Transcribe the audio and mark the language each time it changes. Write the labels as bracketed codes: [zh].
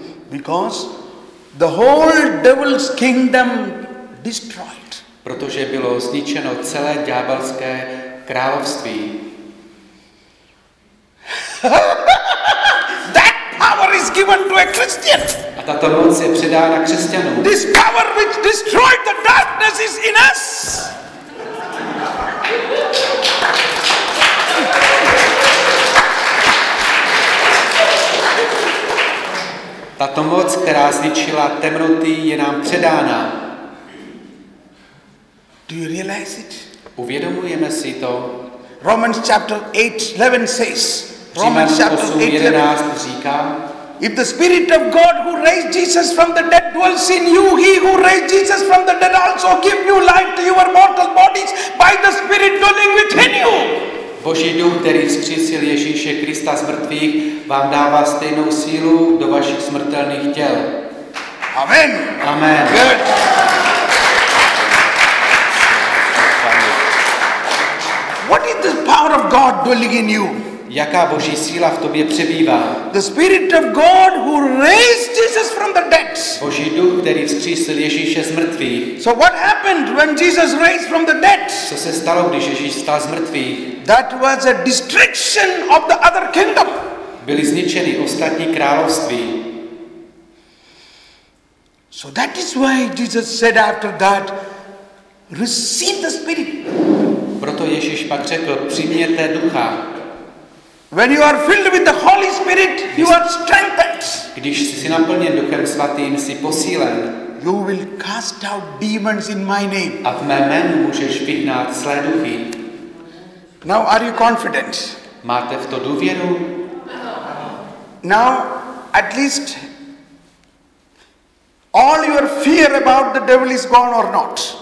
[en] Because the whole devil's kingdom destroyed. [cs] Protože bylo zničeno celé ďábelské království. [en] That power is given to a Christian. [cs] A tato moc je předána křesťanům. [en] This power which destroyed the darkness is in us. [cs] Tato moc, která zničila temnoty, je nám předána. [en] Do you realize it? [cs] Uvědomujeme si to. [en] Romans chapter 8:11 says. Romans chapter 8:11 [cs] říká. [en] If the Spirit of God who raised Jesus from the dead dwells in you, he who raised Jesus from the dead also give new life to your mortal bodies by the Spirit dwelling within you. [cs] Boží duch, který vzkřísil Ježíše Krista z mrtvých, vám dává stejnou sílu do vašich smrtelných těl. [en] Amen. [cs] Amen. [en] Good. What is the power of God dwelling in you? [cs] Jaká Boží síla v tobě přebývá? [en] The Spirit of God who raised Jesus from the dead. [cs] Boží duch, který vzkřísil Ježíše z mrtvých. [en] So what happened when Jesus raised from the dead? [cs] Co se stalo, když Ježíš stál z mrtvých? [en] That was a destruction of the other kingdom. [cs] Byly zničeny ostatní království. [en] So that is why Jesus said after that, receive the Spirit. [cs] Proto Ježíš pak řekl, přijměte ducha. [en] When you are filled with the Holy Spirit, you are strengthened. [cs] Když jsi naplněn Duchem Svatým, jsi posílen. [en] You will cast out demons in my name. [cs] A v mé jménu můžeš vyhnat zlé duchy. [en] Now are you confident? [cs] Máte v to důvěru? [en] Now at least all your fear about the devil is gone or not?